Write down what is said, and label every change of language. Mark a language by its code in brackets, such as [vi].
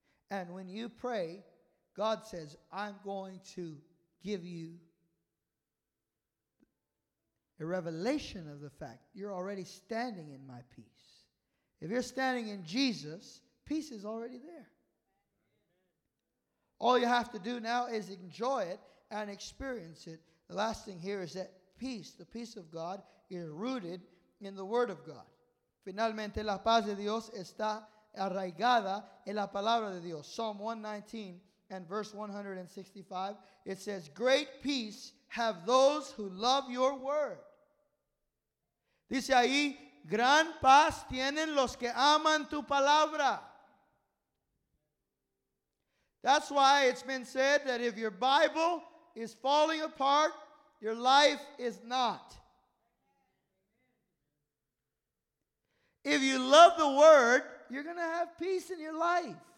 [en] And when you pray, God says, I'm going to give you a revelation of the fact you're already standing in my peace. If you're standing in Jesus, peace is already there. All you have to do now is enjoy it and experience it. The last thing here is that peace, the peace of God, is rooted in the Word of God. [es] Finalmente, la paz de Dios está arraigada en la palabra de Dios. [en] Psalm 119 and verse 165, it says, great peace have those who love your word. [es] Dice ahí, gran paz tienen los que aman tu palabra. [en] That's why it's been said that if your Bible is falling apart, your life is not. If you love the word, you're going to have peace in your life.